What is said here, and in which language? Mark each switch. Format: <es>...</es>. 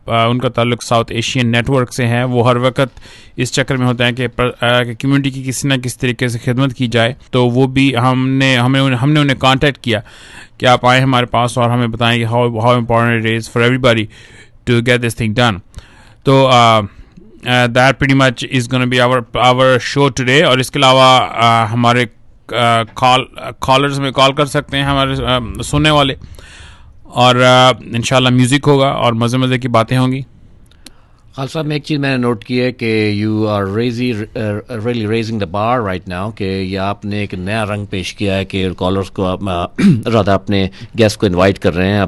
<ur>ان کا تعلق south Asian network سے ہے. وہ ہر وقت اس چکر میں ہوتے ہیں کہ کمیونٹی کی کسی نہ کسی طریقے سے خدمت کی جائے. تو وہ بھی ہم نے انہیں کانٹیکٹ کیا کہ آپ آئیں ہمارے پاس اور ہمیں بتائیں کہ</ur> <en>How important it is for everybody to get this thing done. تو that pretty much is gonna be our show today.</en> <ur>اور اس کے علاوہ ہمارے کالرز میں کال کر سکتے ہیں ہمارے سننے والے. اور انشاءاللہ میوزک ہوگا اور مزے کی باتیں ہوں گی. خال صاحب، میں ایک چیز میں نے نوٹ کی ہے کہ</ur> <en>you are really raising the bar right now,</en> <ur>کہ یہ آپ نے ایک نیا رنگ پیش کیا ہے کہ کالرز کو رادھا اپنے گیسٹ کو انوائٹ کر رہے ہیں.</ur>